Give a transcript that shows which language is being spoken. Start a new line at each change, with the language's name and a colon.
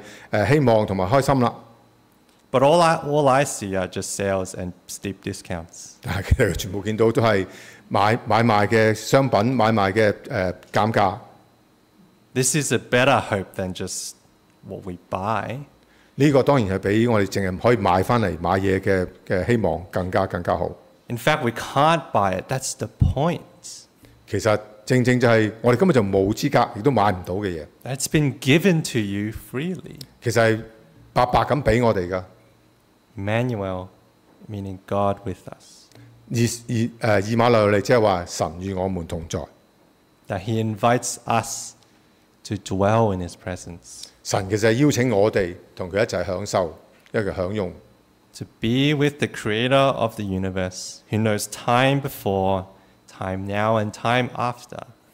Chinese: 看到所有的商場裏面都有些牌寫著這個時間、這個節日就是希望和開心了。
English: But all I see are just sales and steep discounts.
Chinese: 但其實全部看到都是買賣的商品、買賣的減價。
English: This is a better hope than just what we buy.
Chinese: 這個當然是比我們只可以買回來買東西的希望更加好。
English: In fact, we can't buy it. That's the point.
Chinese: 其實正正就是我們根本就沒有資格，亦都買不到的東西。
English: That's been given to you freely.
Chinese: 其實是白白地給我們的。
English: Emmanuel, meaning God with us.
Chinese: 以馬內利，即是說神與我們同在。
English: That he invites us to dwell in his presence.
Chinese: 神其實是邀請我們跟他一起享受，一起享用。
English: To be with the creator of the universe, who knows time before, time now and time after.